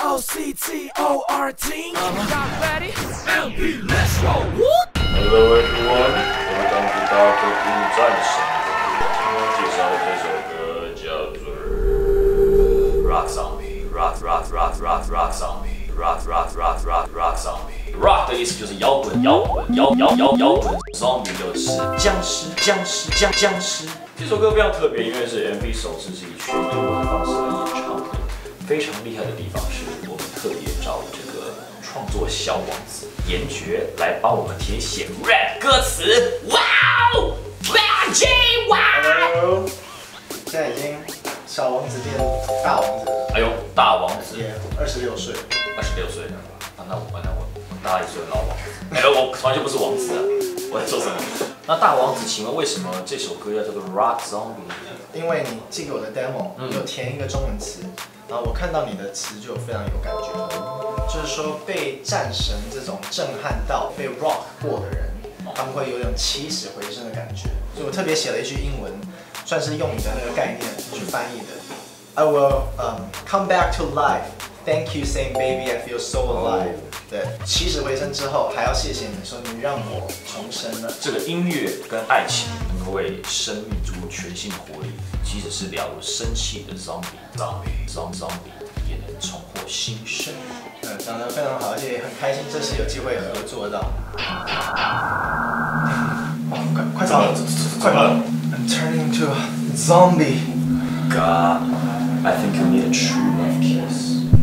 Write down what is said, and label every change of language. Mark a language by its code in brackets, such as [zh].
[zh] 今天介绍这首歌叫做 Rock Zombie, Rock Rock Rock Rock Rock Zombie, Rock Rock Rock Rock Rock Zombie. Rock 的意思就是摇滚，摇滚，摇滚。Zombie 就是僵尸。这首歌非常特别，因为是 MV 首次是以全英文方式来演唱的。非常厉害的地方是我们特别找这个创作小王子严爵来帮我们填写 rap 歌词。哇哦 ，RJ 哇！现在已经小王子变大王子了。哎呦，大王子！ 26岁。 26岁的啊，那我大一岁的老王子。哎呦，我从来就不是王子啊，我在做什么？那大王子，请问为什么这首歌叫做 Rock Zombie？因为你寄给我的 demo， 你有填一个中文词，然后我看到你的词就非常有感觉，就是说被战神这种震撼到、被 rock 过的人，他们会有一种起死回生的感觉。所以我特别写了一句英文，算是用你的那个概念去翻译的。 [en] I will come back to life. Thank you, saying baby, I feel so alive. [zh] 对，起死回生之后还要谢谢你说你让我重生了。这个音乐跟爱情能够为生命注入全新的活力，即使是了如生气的 zombie 也能重获新生。讲得非常好，而且很开心这次有机会合作到。快走快走。 [en] I'm turning into a zombie. God, I think you need a true love kiss.